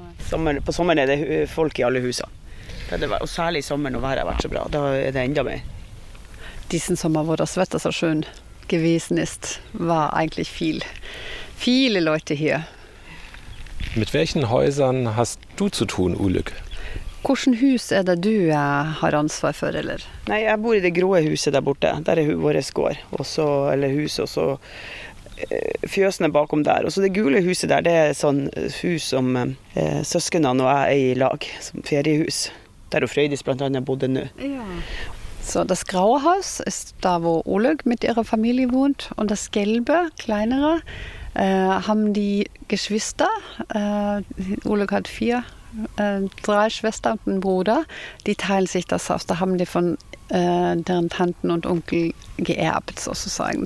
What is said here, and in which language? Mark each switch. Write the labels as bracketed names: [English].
[Norwegian] På sommeren er det folk i alle husene. Og særlig sommeren, og været har vært så bra. Da er det enda mer. [German] Diesen Sommer, wo das Wetter so schön gewesen ist, war eigentlich viele Leute hier. Mit welchen Häusern hast du zu tun, Ulyk? [Norwegian] Hvilken hus er det du har ansvar for, eller? Nei, jeg bor i det grå huset der borte. Der er vores gård, også, eller hus, og så fjøsene bakom der. Og så det gule huset der, det er sånn hus som søskenene og jeg er i lag, som feriehus. Der og Frøydis blant annet bodde nå. Ja. [German] So, das graue Haus ist da, wo Ulyk mit ihrer Familie wohnt. Und das gelbe, kleinere, haben die Geschwister. Ulyk hat 4, 3 Schwestern und einen Bruder. Die teilen sich das Haus. Da haben die von deren Tanten und Onkel geerbt, sozusagen.